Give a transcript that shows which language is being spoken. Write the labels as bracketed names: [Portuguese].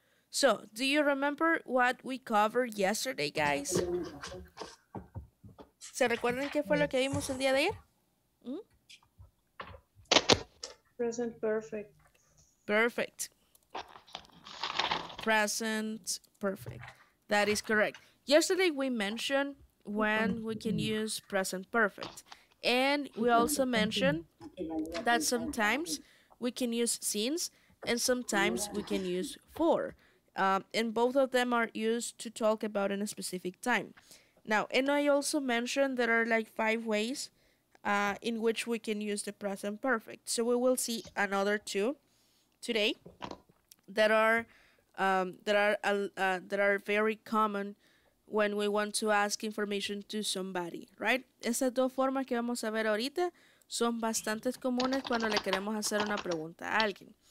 [English] So, do you remember what we covered yesterday, guys? [Spanish] ¿Se recuerdan qué fue lo que vimos el día de ayer? [English] Present perfect. Perfect. Present perfect. That is correct. Yesterday we mentioned when we can use present perfect. And we also mentioned that sometimes we can use since and sometimes we can use for. And both of them are used to talk about in a specific time. Now, and I also mentioned there are like 5 ways in which we can use the present perfect. So we will see another 2 today that are very common when we want to ask information to somebody, right? [Spanish] Esas dos formas que vamos a ver ahorita son bastante comunes cuando le queremos hacer una pregunta a alguien.